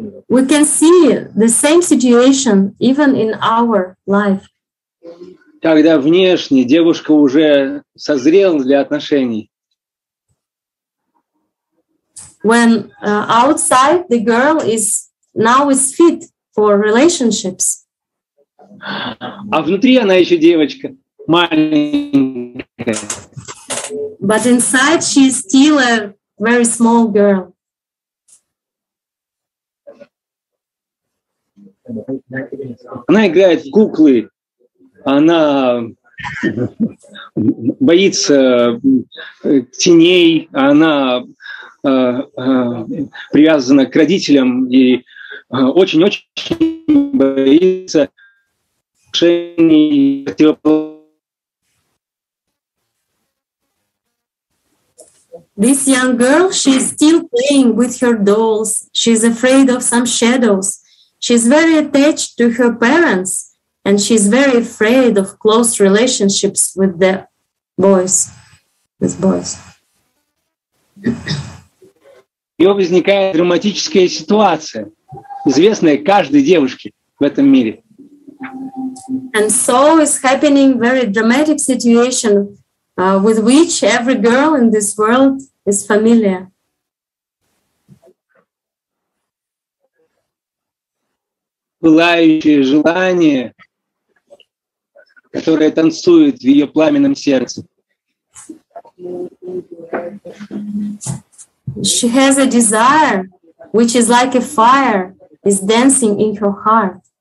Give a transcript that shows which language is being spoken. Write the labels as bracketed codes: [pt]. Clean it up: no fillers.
[en] We can see the same situation even in our life. [ru] Когда внешне девушка уже созрела для отношений. [en] When outside the girl is now is fit for relationships. [ru] А внутри она еще девочка, маленькая. [en] But inside she is still a very small girl. [ru] Она играет в куклы. Она боится теней, она привязана к родителям и очень-очень боится отношений и противоположностей. [en] This young girl, she is still playing with her dolls. She is afraid of some shadows. She is very attached to her parents. And she's very afraid of close relationships with the boys. With boys. [ru] У нее возникает драматическая ситуация, известная каждой девушке в этом мире. [en] And so is happening very dramatic situation with which every girl in this world is familiar. [ru] Пылающее желание, которая танцует в ее пламенном сердце. [en] She has a desire, which is like a fire, is dancing in her heart.